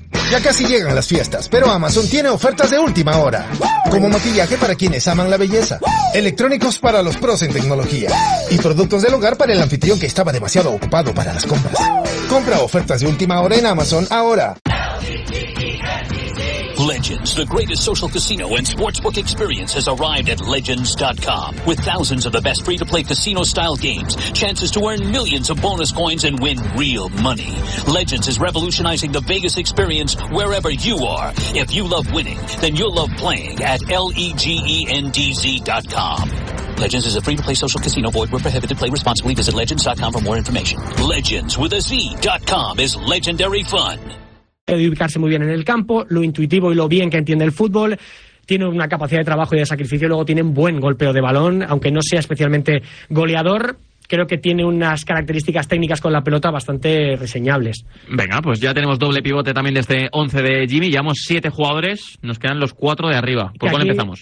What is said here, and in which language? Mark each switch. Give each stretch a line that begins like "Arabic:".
Spanish: Ya casi llegan las fiestas, pero Amazon tiene ofertas de última hora. Como maquillaje para quienes aman la belleza, electrónicos para los pros en tecnología y productos del hogar para el anfitrión que estaba demasiado ocupado para las compras. Compra ofertas de última hora en Amazon ahora.
English: Legends, the greatest social casino and sportsbook experience has arrived at Legends.com. With thousands of the best free-to-play casino-style games, chances to earn millions of bonus coins and win real money. Legends is revolutionizing the Vegas experience wherever you are. If you love winning, then you'll love playing at Legends.com. Legends is a free-to-play social casino. Void where prohibited. Play responsibly. Visit Legends.com for more information. Legends with a Z.com is legendary fun.
Spanish: Puede ubicarse muy bien en el campo, lo intuitivo y lo bien que entiende el fútbol, tiene una capacidad de trabajo y de sacrificio, luego tiene un buen golpeo de balón, aunque no sea especialmente goleador, creo que tiene unas características técnicas con la pelota bastante reseñables. Venga, pues ya tenemos doble pivote también de este 11 de Jimmy, llevamos 7 jugadores, nos quedan los 4 de arriba, ¿por cuál empezamos?